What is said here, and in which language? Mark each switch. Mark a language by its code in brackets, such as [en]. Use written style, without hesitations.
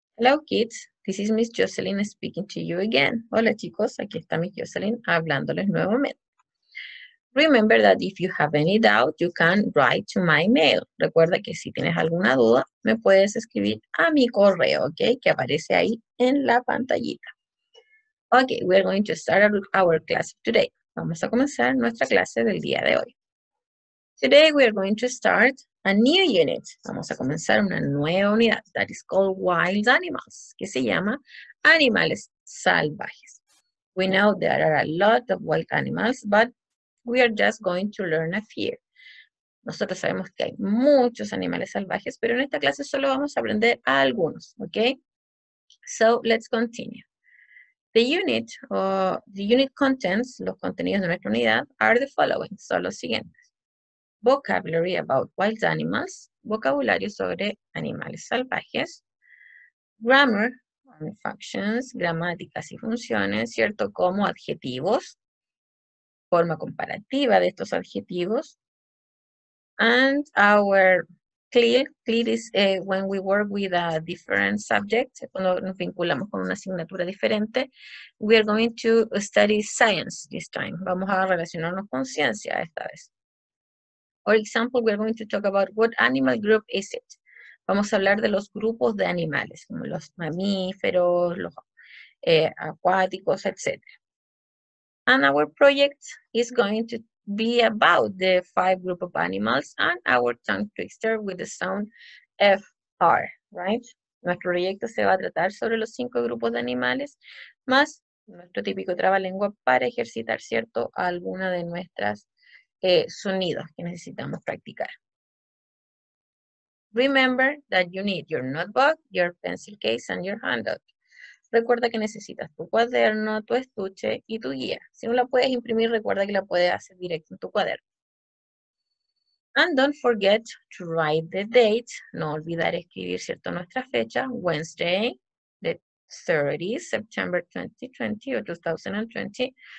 [en] Hello kids, this is Miss Jocelyn speaking to you again. [es] Hola chicos, aquí está Miss Jocelyn hablándoles nuevamente. [en] Remember that if you have any doubt, you can write to my mail. [es] Recuerda que si tienes alguna duda, me puedes escribir a mi correo, ¿ok? Que aparece ahí en la pantallita. [en] Ok, we are going to start our class today. [es] Vamos a comenzar nuestra clase del día de hoy. [en] Today we are going to start a new unit. [es] Vamos a comenzar una nueva unidad. [en] That is called wild animals, [es] que se llama animales salvajes. [en] We know there are a lot of wild animals, but we are just going to learn a few. [es] Nosotros sabemos que hay muchos animales salvajes, pero en esta clase solo vamos a aprender a algunos, ¿ok? [en] So, let's continue. The unit contents, [es] los contenidos de nuestra unidad, [en] are the following. [es] Son los siguientes. [en] Vocabulary about wild animals, [es] vocabulario sobre animales salvajes, [en] grammar and functions, [es] gramáticas y funciones, ¿cierto? Como adjetivos, forma comparativa de estos adjetivos, [en] and our CLIL is when we work with a different subject, [es] cuando nos vinculamos con una asignatura diferente, [en] we are going to study science this time, [es] vamos a relacionarnos con ciencia esta vez. [en] For example, we're going to talk about what animal group is it. [es] Vamos a hablar de los grupos de animales, como los mamíferos, los acuáticos, etc. [en] And our project is going to be about the five group of animals and our tongue twister with the sound FR, right? [es] Nuestro proyecto se va a tratar sobre los cinco grupos de animales, más nuestro típico trabalengua para ejercitar, ¿cierto?, alguna de nuestras sonidos que necesitamos practicar. [en] Remember that you need your notebook, your pencil case, and your handout. [es] Recuerda que necesitas tu cuaderno, tu estuche y tu guía. Si no la puedes imprimir, recuerda que la puedes hacer directo en tu cuaderno. [en] And don't forget to write the date. [es] No olvidar escribir, ¿cierto?, nuestra fecha, [en] Wednesday, the 30th, September 2020 or 2020.